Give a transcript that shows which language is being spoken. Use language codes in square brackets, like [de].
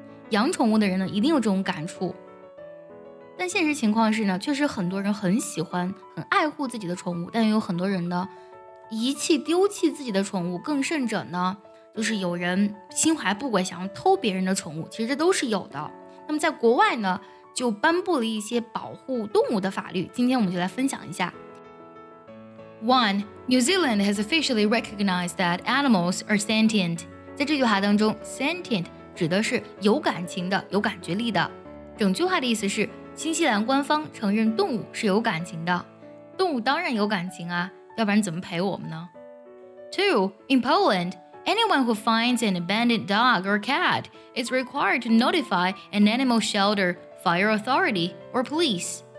[zh] 养宠物的人呢，一定有这种感触。但现实情况是呢，确实很多人很喜欢很爱护自己的宠物，但也有很多人呢遗弃丢弃自己的宠物，更甚者呢就是有人心怀不轨想要偷别人的宠物，其实这都是有的。那么在国外呢，就颁布了一些保护动物的法律，今天我们就来分享一下。 1. [en] New Zealand has officially recognized that animals are sentient. [zh] 在这句话当中， sentient 指的是有感情的，有感觉力的。整句话的意思是，新西兰官方承认动物是有感情的。动物当然有感情啊，要不然怎么陪我们呢？ [en] 2. In Poland,Anyone who finds an abandoned dog or cat is required to notify an animal shelter, fire authority, or police.